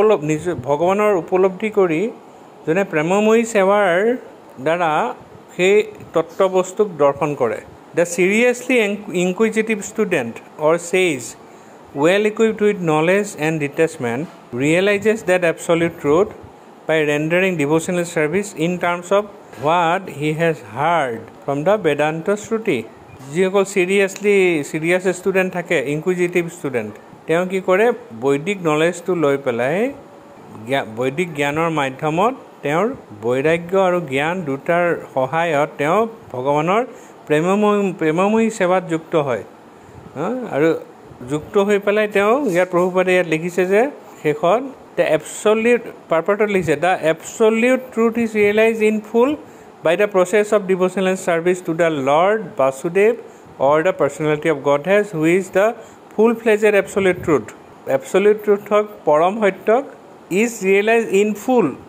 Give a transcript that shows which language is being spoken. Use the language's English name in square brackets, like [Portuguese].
[Assamese] নিজ ভগৱানৰ উপলব্ধি কৰি, যোনে প্ৰেমময়ী সেৱাৰ দ্বাৰা সেই তত্ত্ববস্তুক দৰ্শন কৰে, [English] The seriously inquisitive student or sage well equipped with knowledge and detachment realizes that absolute truth by rendering devotional service in terms of what he has heard from the Vedanta Shruti. [Assamese] যিসকল [English] seriously serious student [Assamese] থাকে, ইনকুইজিটিভ ষ্টুডেণ্ট, তেওঁ কি কৰে, বৈদিক নলেজটো লৈ পেলাই বৈদিক জ্ঞানৰ মাধ্যমত তেওঁৰ বৈৰাগ্য আৰু জ্ঞান দুটাৰ সহায়ত তেওঁ ভগৱানৰ প্ৰেমময়ী সেৱাত যুক্ত হয়। আৰু যুক্ত হৈ পেলাই তেওঁ ইয়াত প্ৰভুপাদে ইয়াত লিখিছে যে সেইখন দ্য এবছল্যুট পাৰ্পাৰ্টত লিখিছে, [English] The absolute truth is realize in full by the process of devotional service to the Lord Vasudev or the personality of Godhead, who is the full-fledged absolute truth. Absolute truth of Param Haityak is realized in full.